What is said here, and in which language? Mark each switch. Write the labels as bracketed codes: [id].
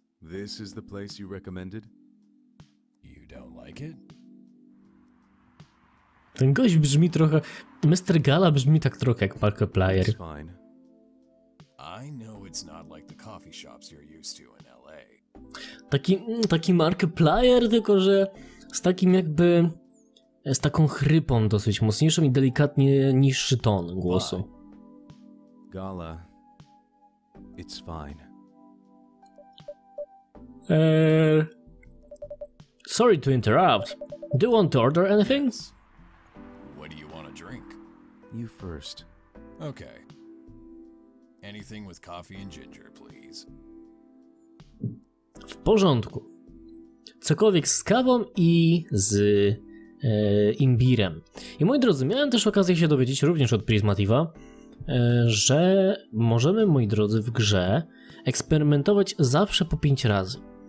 [en] This is the place you recommended? You don't like it? [pl] Ten gość brzmi trochę... Mr. Gala brzmi tak trochę jak Markiplier. [en] It's fine. I know it's not like the coffee shops you're used to in LA. Taki Markiplier, tylko że z takim jakby, z taką chrypą dosyć mocniejszą i delikatnie niższy ton głosu. Gala, it's fine. Sorry to interrupt. Do you want to order anything? Yes. What do you want to drink? You first. Okay. Anything with coffee and ginger, please. [pl] W porządku. Cokolwiek z kawą i z imbirem. I moi drodzy, miałem też okazję się dowiedzieć również od Prismatifa, że możemy, moi drodzy, w grze eksperymentować zawsze po 5 razy.